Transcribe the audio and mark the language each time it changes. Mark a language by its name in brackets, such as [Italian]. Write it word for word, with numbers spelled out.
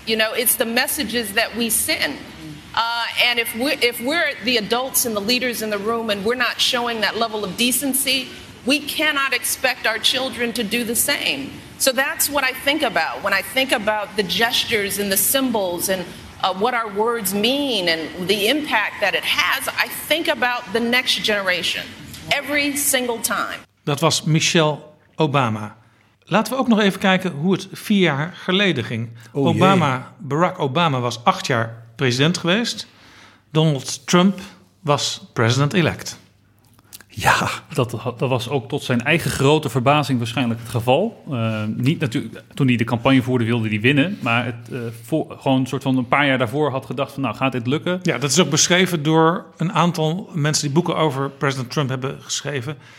[English] You know, it's the messages that we send. Uh, and if we're, if we're the adults and the leaders in the room and we're not showing that level of decency, we cannot expect our children to do the same. So that's what I think about when I think about the gestures and the symbols and uh, what our words mean and the impact that it has. I think about the next generation every single time. [Dutch] Dat was Michelle Obama. Laten we ook nog even kijken hoe het vier jaar geleden ging. Oh, Obama, Barack Obama was acht jaar president geweest. Donald Trump was president-elect. Ja, dat, dat was ook tot zijn eigen grote verbazing waarschijnlijk het geval. Uh, niet natuurlijk, toen hij de campagne voerde wilde hij winnen. Maar het, uh, voor, gewoon een soort van een paar jaar daarvoor had gedacht van nou gaat dit lukken. Ja, dat is ook beschreven door een aantal mensen die boeken over president Trump hebben geschreven.